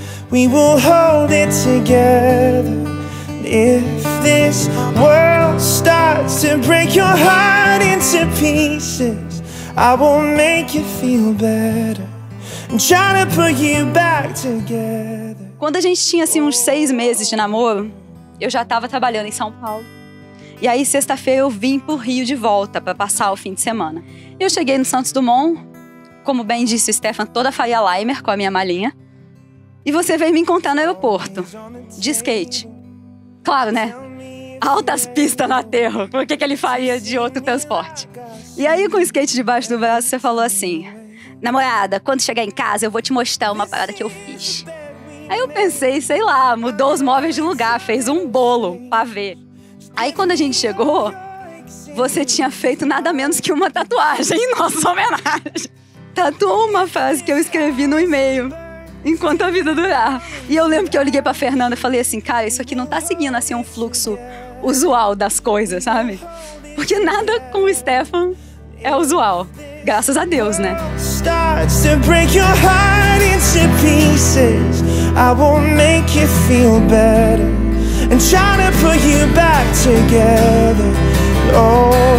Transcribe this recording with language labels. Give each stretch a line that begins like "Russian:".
English: We will hold it together. If this world starts to break your heart into pieces, I will make you feel better. I'm trying to put you back together.
Portuguese: Quando a gente tinha assim uns 6 meses de namoro, eu já estava trabalhando em São Paulo. E aí, sexta-feira, eu vim pro Rio de volta para passar o fim de semana. Eu cheguei no Santos Dumont, como bem disse o Stefan, toda Faria Limer com a minha malinha. E você veio me encontrar no aeroporto, de skate. Claro, né? Altas pistas no aterro. Por que ele faria de outro transporte? E aí, com o skate debaixo do braço, você falou assim, namorada, quando chegar em casa, eu vou te mostrar uma parada que eu fiz. Aí eu pensei, sei lá, mudou os móveis de lugar, fez um bolo pra ver. Aí, quando a gente chegou, você tinha feito nada menos que uma tatuagem em nossa homenagem. Tatuou uma frase que eu escrevi no e-mail, enquanto a vida durar. E eu lembro que eu liguei pra Fernanda e falei assim, cara, isso aqui não tá seguindo assim um fluxo usual das coisas, sabe? Porque nada com o Stefan é usual. Graças a Deus, né?
English: Starts to break your heart into pieces. I will make you feel better. And trying to put you back together.